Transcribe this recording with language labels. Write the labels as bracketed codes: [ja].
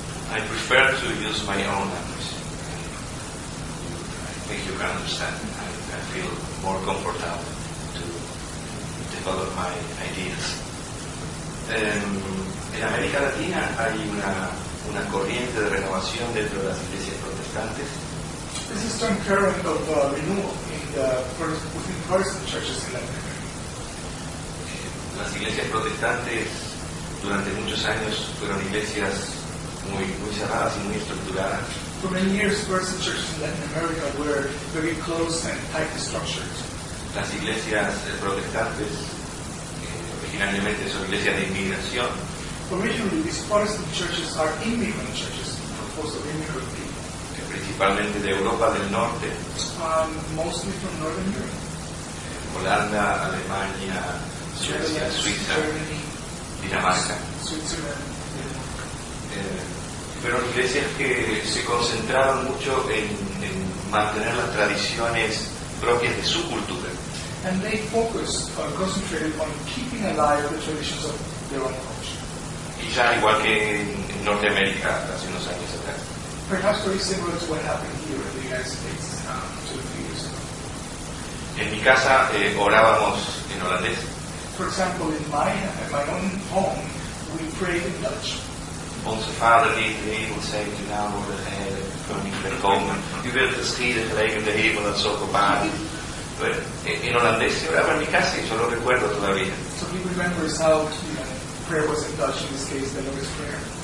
[en] I prefer to use my own language. I think you can understand. I feel more comfortable to develop my ideas. [es] En América Latina hay una corriente de renovación dentro de las iglesias protestantes. [en] There's a strong current of renewal in the within Protestant churches in Latin America. [es] Las iglesias protestantes durante muchos años fueron iglesias muy muy cerradas y muy estructuradas. [en] For many years, Protestant churches in Latin America were very closed and tightly structured. [es] Las iglesias protestantes originalmente son iglesias de inmigración. [en] Originally, these Protestant churches are immigrant churches, composed of immigrant people. [es] Principalmente de Europa del Norte. [en] Mostly from Northern Europe. [es] Holanda, Alemania, Suecia, Suiza, [en] Germany, [es] Dinamarca. [en] Switzerland, Dinamarca. [es] Fueron iglesias que se concentraron mucho en mantener las tradiciones propias de su cultura. [en] And they focused, concentrated on keeping alive the traditions of their own culture. [es] Quizá igual que en Norteamérica hace unos años atrás. [en] Perhaps very similar to what happened here in the United States two or three years ago. [es] En mi casa orábamos en holandés. [en] For example, in my own home, we prayed in Dutch. [nl] Onze Vader die in de hemel zijt, uw naam wordt geheiligd, koninkrijk wil komen. U wilt geschieden gelijk in de hemel dat zo gebeurt. [es] In holandés se oraba en mi casa, y yo lo recuerdo todavía. [en] So he remembers how prayer was in Dutch, in this case, the Lord's Prayer.